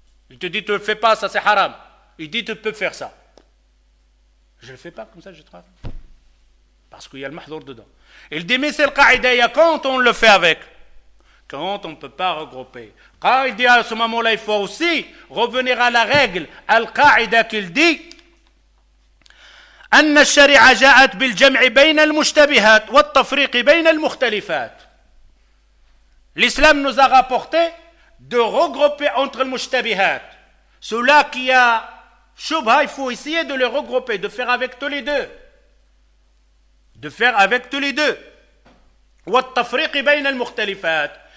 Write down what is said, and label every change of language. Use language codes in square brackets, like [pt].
[fr] Il te dit, tu ne le fais pas, ça c'est haram. Il dit, tu peux faire ça. Je ne le fais pas comme ça, je travaille. Parce qu'il y a le mahdour dedans. Il dit, mais c'est le qaïda, il y a quand on le fait avec? Quand on ne peut pas regrouper. Quand il dit à ce moment-là, il faut aussi revenir à la règle, à le qaïda qu'il dit. [ar] أن الشريعة جاءت بالجمع بين المشتبهات والتفريق بين المختلفات. [fr] L'islam nous a rapporté de regrouper entre les mushtabihat. Ceux-là qui a shubha, il faut essayer de les regrouper, de faire avec tous les deux. De faire avec tous les deux. [ar] والتفريق بين المختلفات.